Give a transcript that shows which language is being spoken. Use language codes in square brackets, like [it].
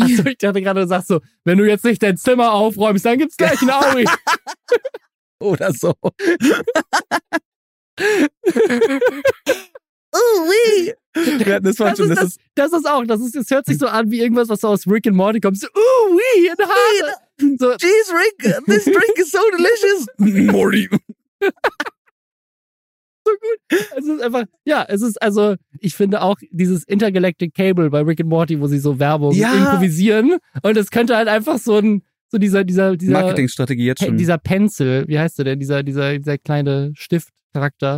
[de] Also ich dachte gerade, du sagst so, wenn du jetzt nicht dein Zimmer aufräumst, dann gibt's gleich ein Owie. Oder so. Owie. Ja, das hört sich so an wie irgendwas, was so aus Rick and Morty kommt. Owie, ein Hase. So. [en] Jeez, Rick, this drink is so delicious. Morty. [de] So so gut. Es ist einfach, ja, es ist, also, ich finde auch dieses Intergalactic Cable bei Rick and Morty, wo sie so Werbung improvisieren. Und es könnte halt einfach so ein, so dieser Marketingstrategie jetzt schon. Dieser Pencil, wie heißt der denn? Dieser kleine Stiftcharakter.